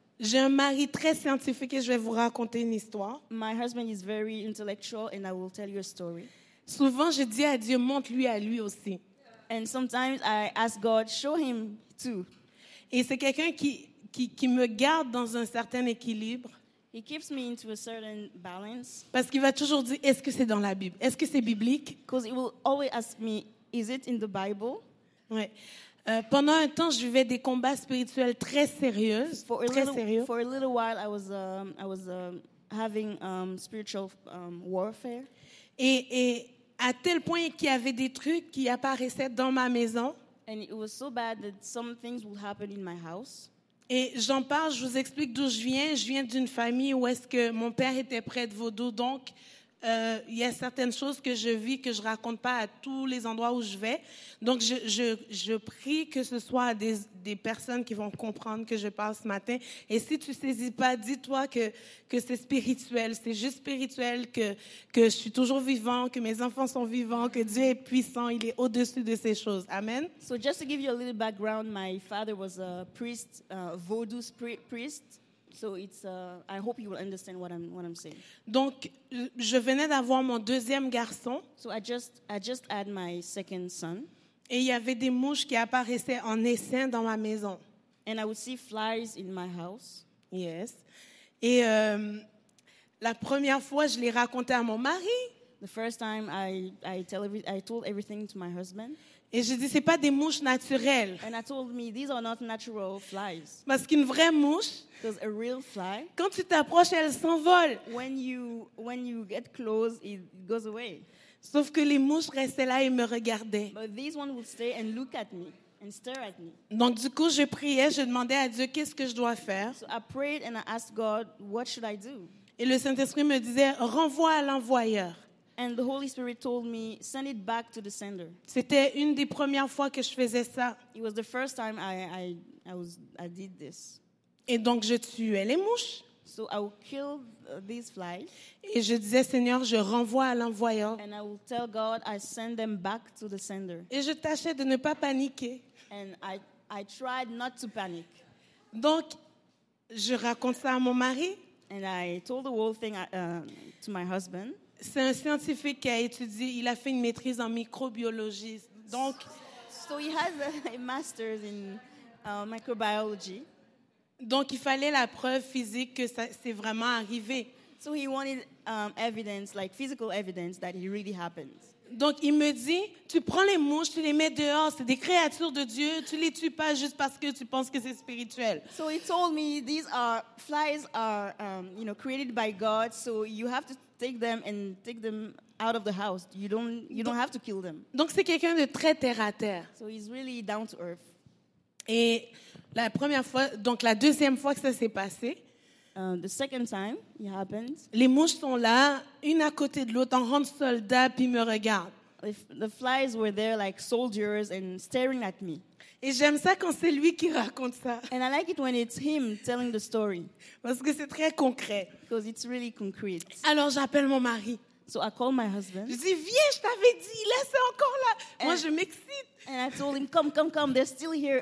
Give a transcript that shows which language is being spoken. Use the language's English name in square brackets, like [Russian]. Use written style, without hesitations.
[French] J'ai un mari très scientifique et je vais vous raconter une histoire. [English] My husband is very intellectual and I will tell you a story. [French] Souvent, je dis à Dieu, montre-lui à lui aussi. [English] And sometimes I ask God, show him too. [French] Et c'est quelqu'un qui me garde dans un certain équilibre. [English] He keeps me into a certain balance. [French] Parce qu'il va toujours dire, est-ce que c'est dans la Bible? Est-ce que c'est biblique? [English] Because he will always ask me, is it in the Bible? [French] Ouais. Pendant un temps, je vivais des combats spirituels très sérieux, [English] For a little while, I was having spiritual warfare. [French] Et à tel point qu'il y avait des trucs qui apparaissaient dans ma maison. [English] And it was so bad that some things would happen in my house. [French] Et j'en parle, je vous explique d'où je viens. Je viens d'une famille où est-ce que mon père était prêtre vaudou, donc Il y a certaines choses que je vis que je ne raconte pas à tous les endroits où je vais. Donc, je prie que ce soit des personnes qui vont comprendre que je parle ce matin. Et si tu ne saisis pas, dis-toi que c'est spirituel, c'est juste spirituel, que je suis toujours vivant, que mes enfants sont vivants, que Dieu est puissant, il est au-dessus de ces choses. Amen. [English] So, just to give you a little background, my father was a priest, a voodoo priest. So it's I hope you will understand what I'm saying. [French] Donc je venais d'avoir mon deuxième garçon. [English] So I just had my second son. [French] Et il y avait des mouches qui apparaissaient en essaim dans ma maison. [English] And I would see flies in my house. Yes. [French] Et la première fois je l'ai raconté à mon mari. [English] The first time I told everything to my husband. [French] Et je dis c'est pas des mouches naturelles. [English] And I told me these are not natural flies. [French] Parce qu'une vraie mouche, [English] because a real fly, [French] quand tu t'approches, elle s'envole. [English] When you get close, it goes away. [French] Sauf que les mouches restaient là et me regardaient. [English] But these ones would stay and look at me and stare at me. [French] Donc du coup, je priais, je demandais à Dieu qu'est-ce que je dois faire. [English] So I prayed and I asked God, what should I do? [French] Et le Saint-Esprit me disait renvoie à l'envoyeur. [English] And the Holy Spirit told me, send it back to the sender. [French] C'était une des premières fois que je faisais ça. [English] It was the first time I did this. [French] Et donc je tuais les mouches. [English] So I would kill these flies. [French] Et je disais, Seigneur, je renvoie à l'envoyeur. [English] And I would tell God, I send them back to the sender. [French] Et je tâchais de ne pas paniquer. [English] And I tried not to panic. [French] Donc je raconte ça à mon mari. [English] And I told the whole thing to my husband. [French] C'est un scientifique qui a étudié, il a fait une maîtrise en microbiologie. Donc, [English] so he has a master's in microbiology. [French] Donc, il fallait la preuve physique que ça c'est vraiment arrivé. [English] So he wanted evidence, like physical evidence that it really happened. [French] Donc, il me dit, tu prends les mouches, tu les mets dehors, c'est des créatures de Dieu, tu les tues pas juste parce que tu penses que c'est spirituel. [English] So he told me these are flies are you know created by God, so you have to take them and take them out of the house. You don't have to kill them. [French] Donc c'est quelqu'un de très terre à terre. [English] So he's really down to earth. [French] Et la première fois, donc la deuxième fois que ça s'est passé, [English] the second time it happened, [French] les mouches sont là, une à côté de l'autre, en rang de soldats, puis me regardent. [English] The flies were there like soldiers and staring at me. [French] Et j'aime ça quand c'est lui qui raconte ça. [English] And I like it when it's him telling the story. [French] Parce que c'est très concret. [English] Because it's really concrete. [French] Alors j'appelle mon mari. [English] So I call my husband. [French] Je dis viens, je t'avais dit, là c'est encore là. [English] And [French] moi je m'excite. [English] And I told him come, they're still here.